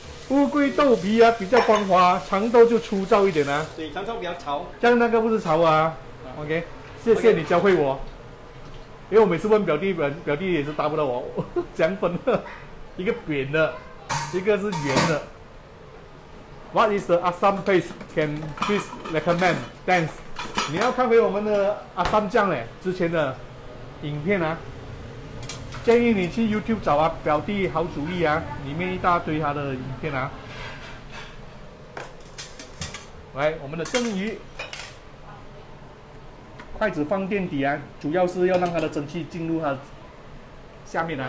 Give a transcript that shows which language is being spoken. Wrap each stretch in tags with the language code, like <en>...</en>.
<zh>乌龟豆皮啊，比较光滑，长豆就粗糙一点啊。对，长豆比较潮。这样那个不是潮啊。OK， 谢谢你教会我， okay. 因为我每次问表弟也是答不到我，讲粉的，一个扁的，一个是圆的。</zh> <en>What is the Assam place can please recommend? Thanks.</en> <zh>你要看回我们的阿三酱嘞之前的影片啊，建议你去 YouTube 找啊，表弟好主意啊，里面一大堆他的影片啊。来，我们的蒸鱼，筷子放垫底啊，主要是要让它的蒸汽进入它下面啊。</zh>